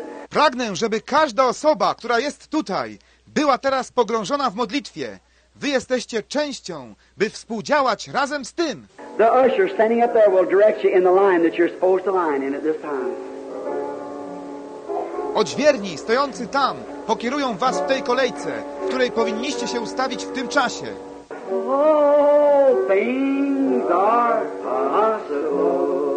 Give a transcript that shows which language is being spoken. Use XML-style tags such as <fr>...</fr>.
<pl>Pragnę, żeby każda osoba, która jest tutaj, była teraz pogrążona w modlitwie. Wy jesteście częścią, by współdziałać razem z tym.</pl> <en>The usher standing up there will direct you in the line that you're supposed to line in at this time.</en> <pl>Odźwierni stojący tam pokierują was w tej kolejce, w której powinniście się ustawić w tym czasie.</pl> <en>All things are possible.</en>